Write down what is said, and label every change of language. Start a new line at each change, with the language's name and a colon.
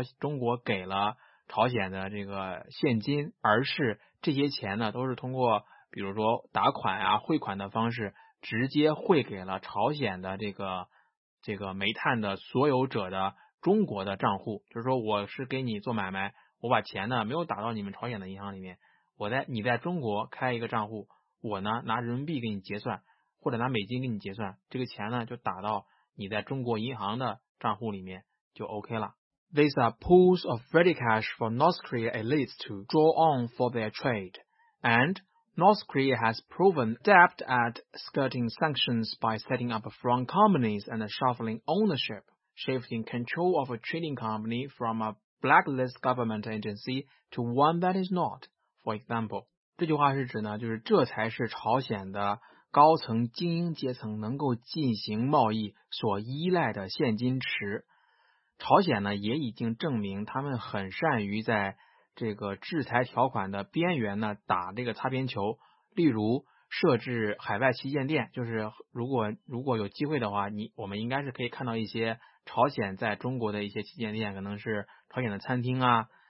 Chinese: 中国给了朝鲜的这个现金，而是这些钱呢都是通过比如说打款啊汇款的方式直接汇给了朝鲜的这个煤炭的所有者的中国的账户，就是说我是给你做买卖，我把钱呢没有打到你们朝鲜的银行里面，你在中国开一个账户，我呢拿人民币给你结算或者拿美金给你结算，这个钱呢就打到你在中国银行的账户里面就 OK 了。
English: These are pools of ready cash for North Korea elites to draw on for their trade andNorth Korea has proven adept at skirting sanctions by setting up front companies and shuffling ownership, shifting control of a trading company from a blacklist government agency to one that is not, for example.
Chinese: 这句话是指呢，就是这才是朝鲜的高层精英阶层能够进行贸易所依赖的现金池。朝鲜呢，也已经证明他们很善于在这个制裁条款的边缘呢打这个擦边球，例如设置海外旗舰店，就是如果有机会的话，我们应该是可以看到一些朝鲜在中国的一些旗舰店，可能是朝鲜的餐厅啊，